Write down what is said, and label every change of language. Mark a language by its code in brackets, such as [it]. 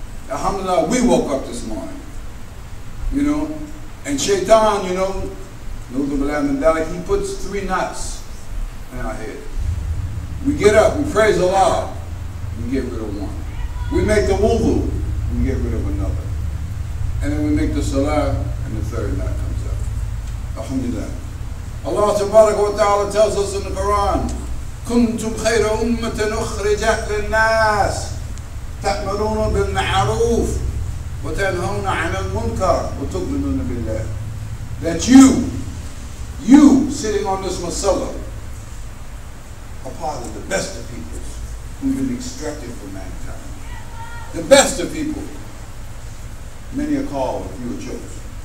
[en] Alhamdulillah, we woke up this morning. You know, and Shaitan, you know, he puts three knots in our head. We get up, we praise Allah, we get rid of one. We make the wudu, we get rid of another. And then we make the salah, and the third night comes up. Alhamdulillah. Allah Tabaraka wa Ta'ala tells us in the Quran, [ar] كُنْتُمْ خَيْرَ أُمَّةٍ أُخْرِجَتْ لِلنَّاسِ تَأْمُرُونَ بِالْمَعْرُوفِ وَتَنْهَوْنَ عَنِ الْمُنْكَرِ وَتُؤْمِنُونَ بِاللَّهِ. [en] That you sitting on this masala, are part of the best of peoples who've been extracted from mankind. The best of people. Many are called, few are chosen.